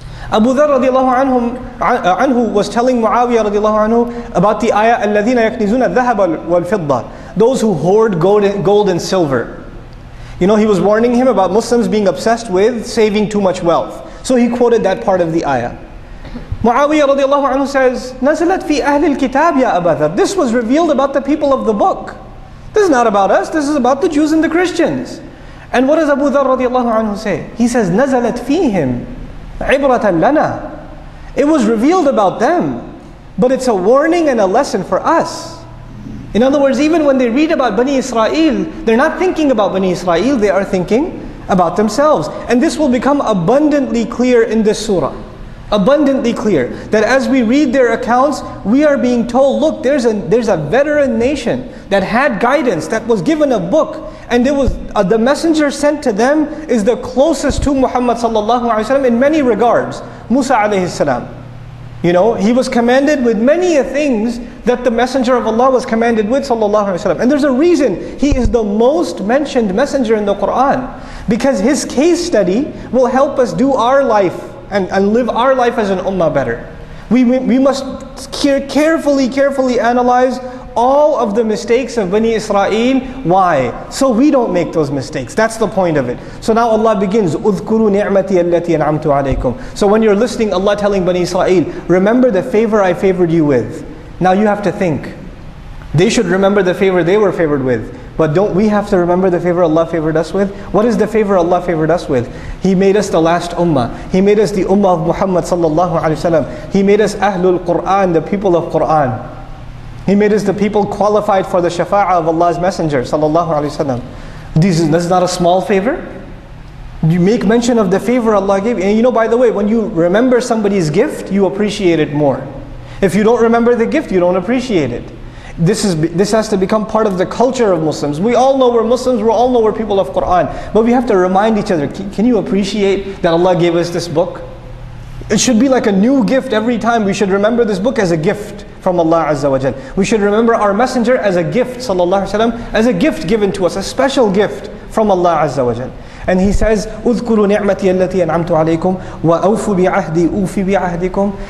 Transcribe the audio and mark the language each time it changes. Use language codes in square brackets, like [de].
[en] Abu Dharr radiallahu anhu was telling Muawiyah radiallahu anhu about the ayah [ar] الَّذِينَ يَكْنِزُونَ الذَّهَبَ وَالْفِضَّةِ, [en] those who hoard gold and silver. You know, he was warning him about Muslims being obsessed with saving too much wealth. So he quoted that part of the ayah. Muawiyah radiallahu anhu says, [ar] نَزَلَتْ فِي أَهْلِ الْكِتَابِ يَا أَبَا ذَرْ. [en] This was revealed about the people of the book. This is not about us, this is about the Jews and the Christians. And what does Abu Dharr radiallahu anhu say? He says, [ar] نَزَلَتْ فِيهِمْ عِبْرَةً لَنَا. [en] It was revealed about them, but it's a warning and a lesson for us. In other words, even when they read about Bani Israel, they're not thinking about Bani Israel, they are thinking about themselves. And this will become abundantly clear in this surah. Abundantly clear that as we read their accounts, we are being told, look, there's a veteran nation that had guidance, that was given a book, and it was the messenger sent to them is the closest to Muhammad sallallahu alaihi wasallam in many regards. Musa alayhi salam, you know, he was commanded with many things that the messenger of Allah was commanded with sallallahu alaihi wasallam, and there's a reason he is the most mentioned messenger in the Quran, because his case study will help us do our life and live our life as an ummah better. We must carefully analyze all of the mistakes of Bani Israel. Why? So we don't make those mistakes. That's the point of it. So now Allah begins, [ar] اُذْكُرُوا نِعْمَتِيَ الَّتِي أَنْعَمْتُ عَلَيْكُمْ. [en] So when you're listening, Allah telling Bani Israel, remember the favor I favored you with. Now you have to think. They should remember the favor they were favored with. But don't we have to remember the favor Allah favored us with? What is the favor Allah favored us with? He made us the last ummah. He made us the ummah of Muhammad sallallahu alaihi wasallam. He made us Ahlul Qur'an, the people of Qur'an. He made us the people qualified for the shafa'a of Allah's Messenger sallallahu alaihi wasallam. This is not a small favor? You make mention of the favor Allah gave. And you know, by the way, when you remember somebody's gift, you appreciate it more. If you don't remember the gift, you don't appreciate it. This has to become part of the culture of Muslims. We all know we're Muslims, we all know we're people of Qur'an. But we have to remind each other, can you appreciate that Allah gave us this book? It should be like a new gift every time. We should remember this book as a gift from Allah Azza wa Jal. We should remember our messenger as a gift, sallallahu alaihi wasallam, as a gift given to us, a special gift from Allah Azza wa Jal. And he says, [ar] اُذْكُرُوا نِعْمَتِيَ الَّتِي أَنْعَمْتُ عَلَيْكُمْ وَأَوْفُ بِعَهْدِي أُوفِ بِعَهْدِكُمْ.